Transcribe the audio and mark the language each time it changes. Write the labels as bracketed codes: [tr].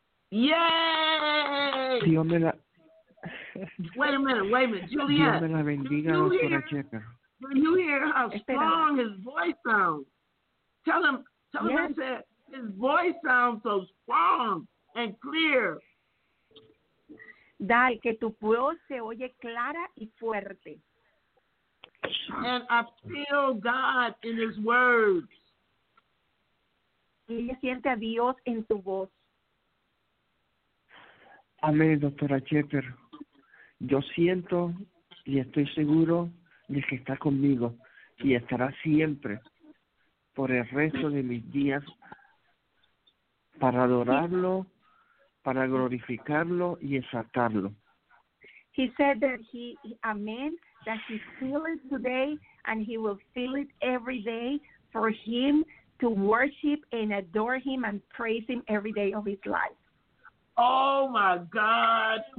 [es] Yay! Dios me la... [en] Wait a minute, Juliet. [es] Dios me la bendiga, doctora Checa. [en] When you hear how strong his voice sounds, tell him that his voice sounds so strong and clear. [es] Dale, que tu voz se oye clara y fuerte. [en] And I feel God in his words. [es] Y siente a Dios en tu voz. Amén, doctora Shepherd. Yo siento y estoy seguro de que está conmigo y estará siempre por el resto de mis días para adorarlo para glorificarlo y exaltarlo. [en] He said that he, amen, that he feels it today and he will feel it every day for him to worship and adore him and praise him every day of his life. Oh, my God.